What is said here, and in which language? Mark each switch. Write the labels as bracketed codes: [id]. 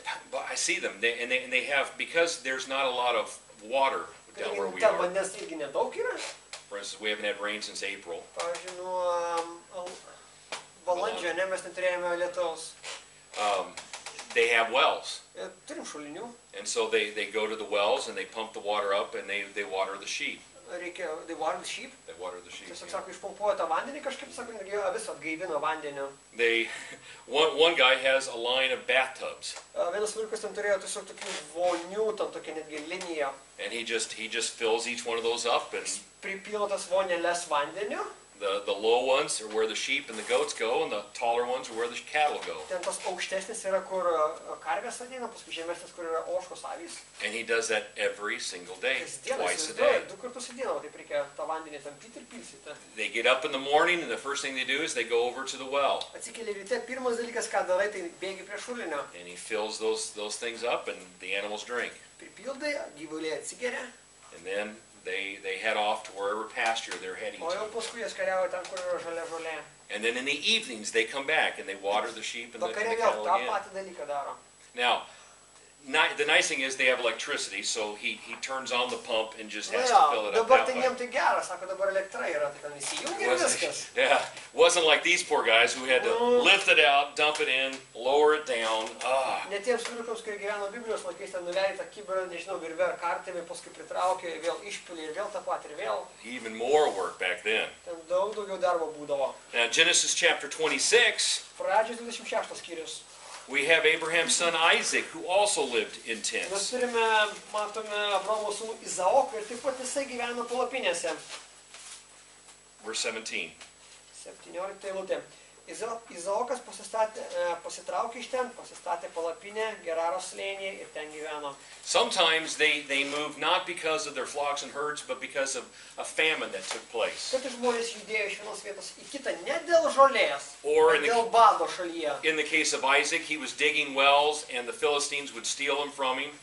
[en] But I see them, they have, because there's not a lot of water down where we are. [lt] Vandens irgi nedaug yra. [en] For instance, we haven't had rain since April. [lt] Pavyzdžiui, nuo balandžio, ne, mes neturėjome lietaus. [en] They have wells. [lt] Turim šulinių. [en] And so they go to the wells and they pump the water up and they water the sheep. [lt] Reikia, [en] they water the sheep? They water the sheep, [lt] tiesiog, sako, išpumpuoja tą vandenį, kažkaip, sako, jie vis atgaivino vandeniu. [en] One guy has a line of bathtubs. [lt] Vienas vyrukas ten turėjo tiesiog tokių vonių, tam tokia netgi linija. [en] And he just fills each one of those up and... [lt] Pripilo tas vonėles vandeniu. [en] The low ones are where the sheep and the goats go, and the taller ones are where the cattle go. [lt] Ten tas aukštesnis yra, kur karvės ateina, paskui žemesnis, kur yra ožkos avys. [en] And he does that every single day, twice a day. [lt] Du kartus į dieną, o taip reikia tą vandenį tampyti ir pilsyti. [en] They get up in the morning, and the first thing they do is they go over to the well. [lt] Atsikeli ryte, pirmas dalykas, ką darai, tai bėgi prie šulinio. [en] And he fills those things up, and the animals drink. [lt] Pripildai, gyvuliai atsigeria. [en] And then... They head off to wherever pasture they're heading to. [lt] O jau paskui jas kariavo ten, kur yra žalia žolė. [en] And then in the evenings they come back and they water the sheep and the cattle again. [lt] Vakare vėl tą patį dalyką daro. [en] Now, the nice thing is they have electricity, so he turns on the pump and just has to fill it up. [lt] Dabar tai jiem tai gera, sako, dabar elektra yra, tai ten įsijungia viskas. [en] Yeah, wasn't like these poor guys who had to lift it out, dump it in, lower it down. [lt] Ne tiems vyrukams, kurie gyveno Biblijos laikais, ten nuleidė tą kibirą, nežinau, virve ar kartimi, paskui pritraukė, vėl išpilė ir vėl tą patį ir vėl. [en] Even more work back then. [lt] Ten daug daugiau darbo būdavo. [en] Now, Genesis chapter 26. [lt] Pradžios 26 skyrius. [en] We have Abraham's son Isaac, who also lived in tents. [lt] Mes turime, matome, Abraomo sūnų Izaoką ir taip pat jisai gyveno palapinėse. [en] Verse 17. [lt] 17 eilutė. Izaokas pasitraukė iš ten, pasistatė palapinę Geraro slėnyje ir ten gyveno. [en] Sometimes they move not because of their flocks and herds, but because of a famine that took place. [lt] Kartais žmonės judėjo iš vienos vietos į kitą ne dėl žolės, bet dėl bado šalyje. [en] In the case of Isaac, he was digging wells and the Philistines would steal them from him.